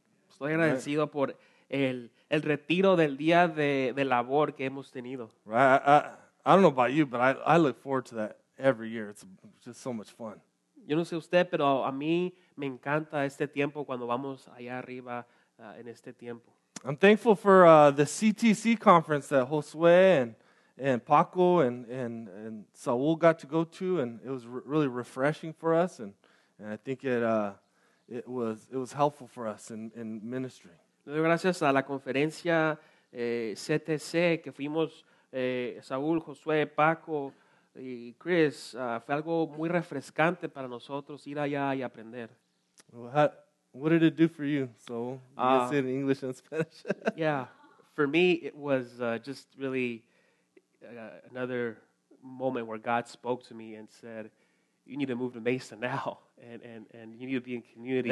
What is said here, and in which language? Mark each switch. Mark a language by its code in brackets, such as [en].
[es] Estoy agradecido por el retiro del día de labor que hemos tenido. [en] Right, I don't know about you, but I look forward to that every year. It's just so much fun. [es] Yo no sé usted, pero a mí me encanta este tiempo cuando vamos allá arriba en este tiempo. [en] I'm thankful for the CTC conference that Josue and Paco and Saul got to go to, and it was really refreshing for us, and I think it was helpful for us in ministry. [es] Gracias a la conferencia CTC que fuimos Saúl, Josué, Paco y Chris, fue algo muy refrescante para nosotros ir allá y aprender. [en] What did it do for you, Saúl? You can say it in English and Spanish. Yeah. for me, it was just really another moment where God spoke to me and said, you need to move to Mesa now, and you need to be in community.